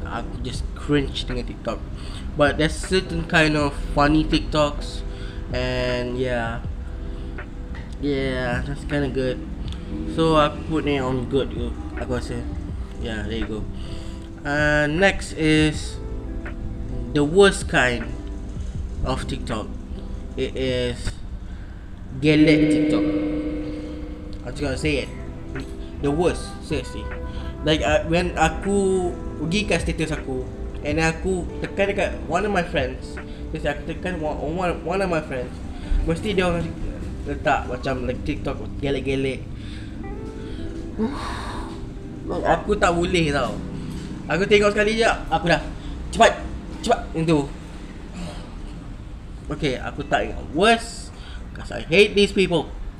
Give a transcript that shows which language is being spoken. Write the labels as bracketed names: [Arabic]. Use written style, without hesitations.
[Malay] Aku [English] just cringe [Malay] dengan TikTok. [English] But there's certain kind of funny TikToks, and yeah, that's kind of good. So [Malay] aku [English] put ni on good. [Malay] Aku rasa, [English] yeah, there you go. Next is the worst kind of TikTok. It is gelek TikTok. I just gotta say it. The worst, seriously. Like when [Malay] aku pergi kat status aku and aku tekan dekat [English] one of my friends, just [Malay] aku tekan [English] one of my friends, [Malay] mesti dia orang letak macam like TikTok gelek-gelek. [English] Like, [Malay] aku tak boleh tau. Aku tengok sekali je, aku dah cepat itu. [English] Okay, [Malay] aku tak ingat [English] worst because I hate these people.